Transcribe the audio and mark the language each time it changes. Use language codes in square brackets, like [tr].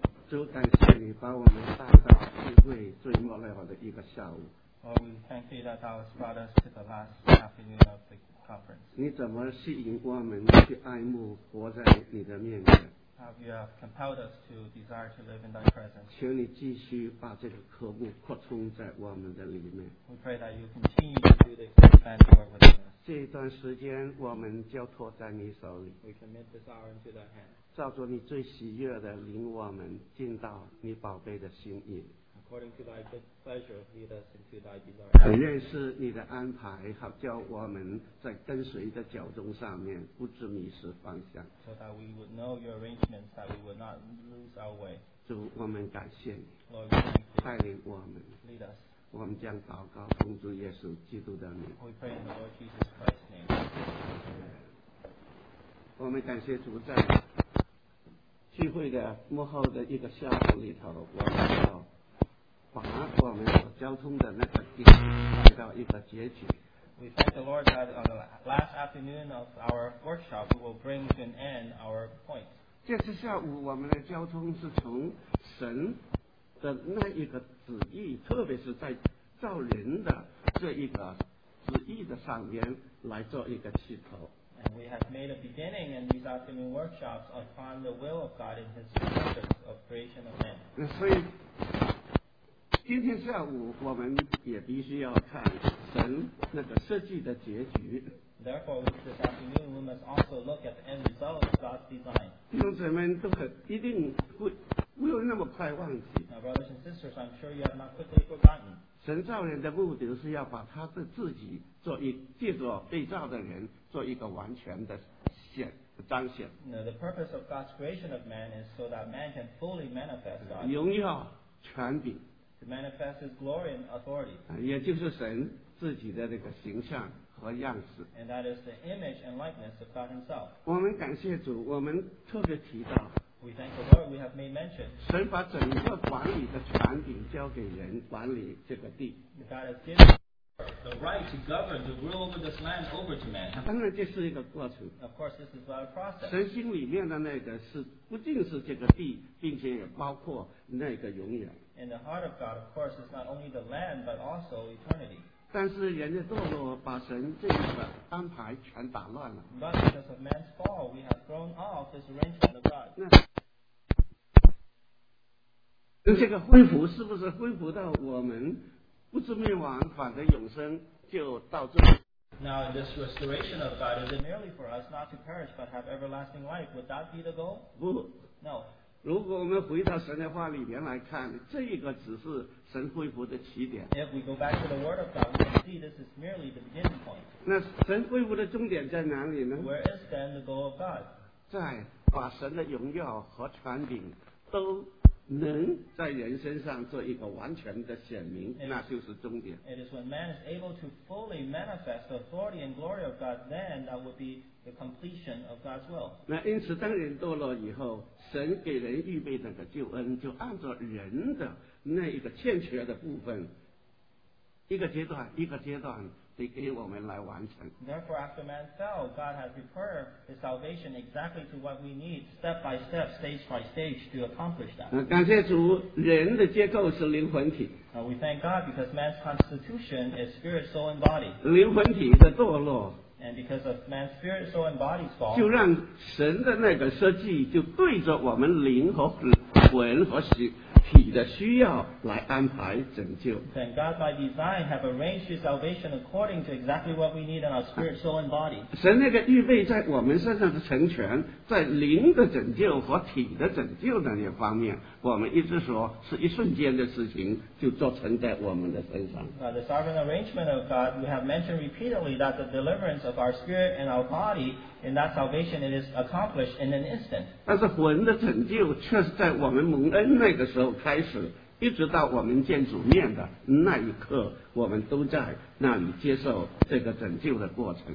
[zh] 主，感谢你把我们带到聚会最末了的一个下午。 [en] Well, we thank you that thou has brought us to the last afternoon of the conference. [zh] 你怎么吸引我们去爱慕活在你的面前？ [en] Have you have compelled us to desire to live in thy presence. [zh] 求你继续把这个渴慕扩充在我们的里面。 [en] We pray that you continue to do this to expand your witness. [zh] 这段时间我们交托在你手里。 [en] We commit this hour into thy hand. [zh] 照着你最喜悦的领我们进到你宝贝的心意。 [en] According to thy good pleasure, lead us into thy desire. [zh] 很认识你的安排，好叫我们在跟随的脚踪上面不致迷失方向。 [en] So that we would know your arrangements, that we would not lose our way. [zh] 主，我们感谢你。 [en] Lord, we thank you. [zh] 带领我们。 [en] Lead us. [zh] 我们将祷告奉主耶稣基督的名。 [en] We pray in the Lord Jesus Christ's name. [zh] 我们感谢主在聚会的幕后的一个下午里头，我们要。把我们所交通的那个地方带到一个结局。 [en] We thank the Lord that on the last afternoon of our workshop, we will bring to an end our point. [zh] 这次下午我们的交通是从神的那一个旨意，特别是在造人的这一个旨意的上面来做一个起头。 [en] And we have made a beginning in these afternoon workshops upon the will of God in His purpose of creation of man. [zh] 所以今天下午我们也必须要看神那个设计的结局。 [en] Therefore, this afternoon we must also look at the end result of God's design. [zh] 弟兄姊妹都很一定会没有那么快忘记。 [en] Now, brothers and sisters, I'm sure you have not quickly forgotten. [zh] 神造人的目的是要把他的自己做一借着被造的人做一个完全的显。彰显。 [en] Now, the purpose of God's creation of man is so that man can fully manifest God. [zh] 荣耀权柄。 [en] To manifest His glory and authority. [zh] 也就是神自己的那个形象和样式。 [en] And that is the image and likeness of God Himself. [zh] 我们感谢主，我们特别提到。 [en] We thank the Lord we have made mention. [zh] 神把整个管理的权柄交给人管理这个地。 [en] God has given the right to govern, to rule over this land over to man. [zh] 当然这是一个过程。 [en] Of course, this is about a process. [zh] 神心里面的那个是不仅是这个地，并且也包括那个永远。 [en] In the heart of God, of course, is not only the land, but also eternity. [zh] 但是人的堕落把神这个安排全打乱了。 [en] But because of man's fall, we have thrown off this arrangement of God. [zh] 那这个恢复是不是恢复到我们不至灭亡，反得永生，就到这里？ [en] Now, in this restoration of God, is it merely for us not to perish but have everlasting life? Would that be the goal? [zh] 不。 [en] No. [zh] 如果我们回到神的话里面来看，这个只是神恢复的起点。 [en] If we go back to the word of God, we can see this is merely the beginning point. [zh] 那神恢复的终点在哪里呢？ [en] Where is then the goal of God? [zh] 在把神的荣耀和权柄都能在人身上做一个完全的显明， [en] it, [zh] 那就是终点。 [en] It is when man is able to fully manifest the authority and glory of God, then that would be the completion of God's will. [zh] 那因此当人堕落以后，神给人预备那个救恩，就按照人的那一个欠缺的部分，一个阶段一个阶段得给我们来完成。 [en] Therefore, after man fell, God has prepared his salvation exactly to what we need, step by step, stage by stage, to accomplish that. [zh] 感谢主，人的结构是灵魂体。 [en] We thank God because man's constitution is spirit, soul, and body. [zh] 灵魂体的堕落。 [en] And because of man's spirit, soul, and body's fall, [zh] 就让神的那个设计就对着我们灵和魂和体的需要来安排拯救。 [en] Then God, by design, have arranged His salvation according to exactly what we need in our spirit, soul, and body. [zh] 神那个预备在我们身上的成全，在灵的拯救和体的拯救那些方面，我们一直说是一瞬间的事情，就做成在我们的身上。 [en] Now, the sovereign arrangement of God, we have mentioned repeatedly that the deliverance of our spirit and our body, in that salvation, it is accomplished in an instant. [zh] 但是魂的拯救却是在我们蒙恩那个时候开始，一直到我们见主面的那一刻，我们都在那里接受这个拯救的过程。